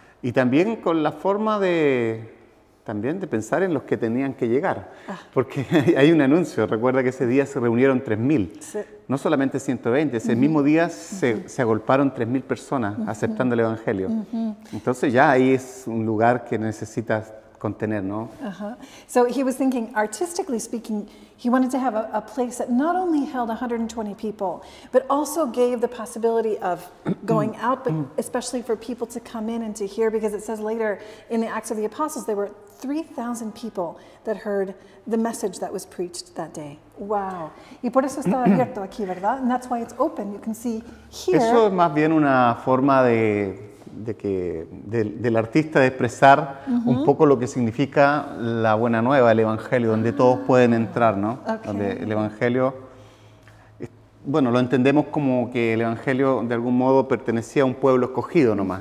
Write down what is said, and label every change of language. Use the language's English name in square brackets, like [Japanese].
[Spanish] Y también con la forma de pensar en los que tenían que llegar. Ah. Porque hay un anuncio, recuerda que ese día se reunieron 3.000. Sí. No solamente 120, ese uh-huh. mismo día uh-huh. se agolparon 3.000 personas uh-huh. aceptando el Evangelio. Uh-huh. Entonces ya ahí es un lugar que necesitas contener, ¿no? Uh-huh. [English] So he was thinking, artistically speaking, he wanted to have a place that not only held 120 people, but also gave the possibility of going out, but especially for people to come in and to hear, because it says later in the Acts of the Apostles, there were 3,000 people that heard the message that was preached that day. [Spanish] Wow. Y por eso está abierto aquí, ¿verdad? [English] And that's why it's open. You can see here. [Spanish] Eso es más bien una forma del artista de expresar uh-huh. un poco lo que significa la buena nueva, el Evangelio, donde uh-huh. todos pueden entrar, ¿no? [English] Okay. [Spanish] Donde el Evangelio, bueno, lo entendemos como que el Evangelio de algún modo pertenecía a un pueblo escogido nomás.